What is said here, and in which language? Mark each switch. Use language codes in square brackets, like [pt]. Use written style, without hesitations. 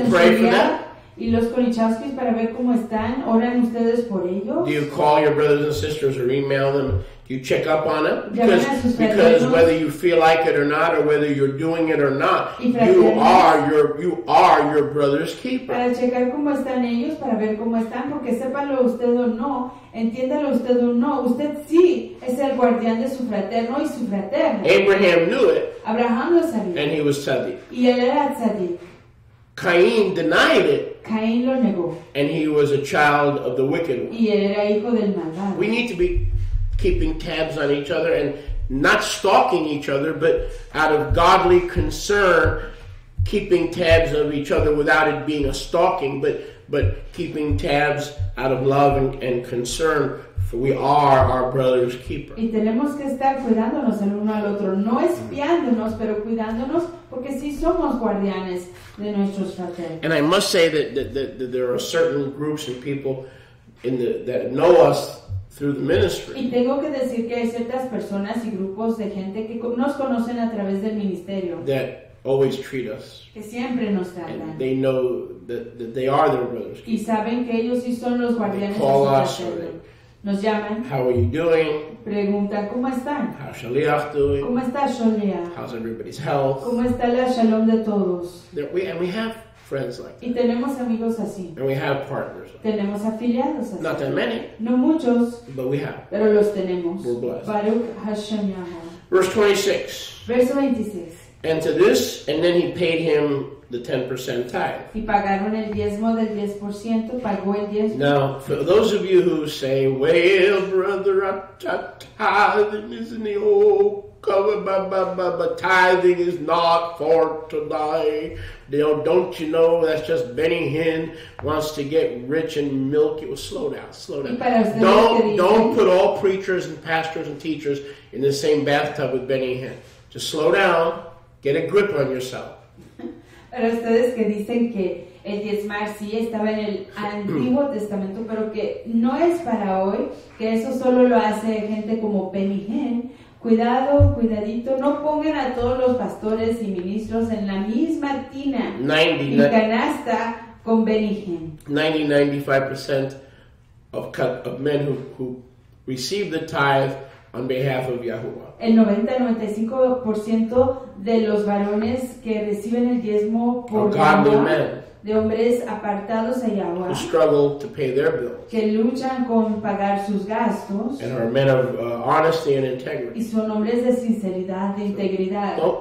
[es] en Shaliach y los Konichowskis para ver cómo están. Oran ustedes por ellos. [en] Do you call your brothers and sisters or email them? You check up on it because whether you feel like it or not, or whether you're doing it or not, you are your brother's keeper. [es] Para checar cómo están ellos, para ver cómo están, porque sépalo usted o no, entiéndalo usted o no, usted sí es el guardián de su fraterno y su fraterno. [en] Abraham knew it. [es] Abraham lo sabía. [en] And he was tzaddik. [es] Y él era tzaddik. [en] Cain denied it. [es] Cain lo negó. [en] And he was a child of the wicked one. [es] Y él era hijo del malvado. [en] We need to be keeping tabs on each other and not stalking each other, but out of godly concern, keeping tabs of each other without it being a stalking, but keeping tabs out of love and concern, for we are our brother's keeper. [es] Y tenemos que estar cuidándonos el uno al otro, no espiándonos, pero cuidándonos, porque sí somos guardianes de nuestros fraternos. [en] And I must say that there are certain groups and people in that know us through the ministry. [es] Y tengo que decir que hay ciertas personas y grupos de gente que nos conocen a través del ministerio. [en] That always treat us. [es] Que siempre nos tratan. [en] And they know that they are their brothers. [es] Y saben que ellos sí son los guardianes de su fraterno. Nos llaman. [en] How are you doing? [es] Preguntan cómo están. [en] How's Shaliach doing? [es] ¿Cómo está Shaliach? [en] How's everybody's health? [es] ¿Cómo está la shalom de todos? [en] And we have friends like that. [es] Y tenemos amigos así. [en] And we have partners. [es] Tenemos afiliados así. [en] Not that many. [es] No muchos. [en] But we have. [es] Pero los tenemos. [en] We're blessed. [he] Baruch Hashem Yahweh. [en] Verse 26. [es] Verso 26. [en] And to this, and then he paid him the 10% tithe. [es] Y pagaron el diezmo del 10%, pagó el diezmo. [en] Now, for those of you who say, well, brother, tithing is in the old covenant, but tithing is not for today. Don't you know that's just Benny Hinn wants to get rich and milk it? Well, slow down. Don't put all preachers and pastors and teachers in the same bathtub with Benny Hinn. Just slow down. Get a grip on yourself. [es] Para ustedes que dicen que el diezmar sí estaba en el Antiguo Testamento, pero que no es para hoy, que eso solo lo hace gente como Benny Hinn. Cuidado, cuidadito, no pongan a todos los pastores y ministros en la misma tina y canasta con Benny Hinn. [en] 90-95% of men who receive the tithe on behalf of Yahuwah. [es] El 90-95% de los varones que reciben el diezmo por Yahuwah, de hombres apartados a Yahuwah, [en] struggle to pay their bills, [es] que luchan con pagar sus gastos, [en] and are men of honesty and integrity. [es] Y son hombres de sinceridad, de integridad.